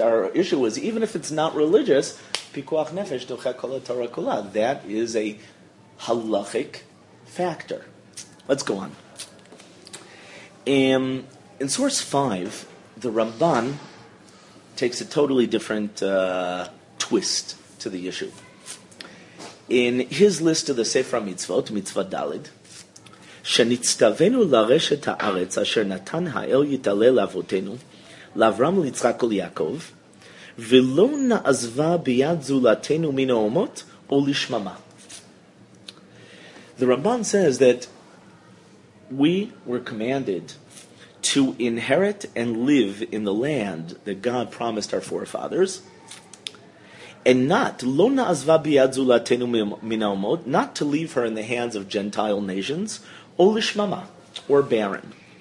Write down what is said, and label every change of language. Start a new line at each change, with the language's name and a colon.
English: Our issue is, even if it's not religious,
Hebrew: pikuach nefesh docha kol haTorah kula,
English: that is a halachic factor. Let's go on. In source 5, the Ramban takes a totally different twist to the issue. In his list of the Sefer Mitzvot, Mitzvah Dalid,
Hebrew: שנצטבנו לרשת הארץ אשר נתן האל יתעלה לאבותינו, לאברהם ליצחק וליעקב, ולא נעזבה ביד זולתנו מן האומות או לשממה.
English: The Ramban says that we were commanded to inherit and live in the land that God promised our forefathers, and not,
Hebrew: לא נעזבה ביד זולתנו מן האומות,
English: not to leave her in the hands of Gentile nations, Olishmama, or barren.